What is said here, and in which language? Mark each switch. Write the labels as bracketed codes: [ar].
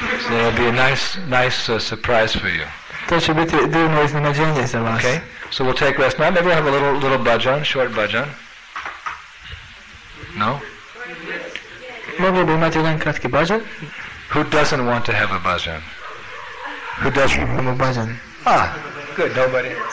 [en] So it'll be a nice surprise for you. [hr] To će biti divno iznenađenje za vas. [en] Okay, so we'll take rest now. Maybe we'll have a little bhajan, short bhajan. No? [hr] Mogli bi imati jedan kratki bhajan. [en] Who doesn't want to have a bhajan? Who doesn't want a bhajan? Ah, good, nobody.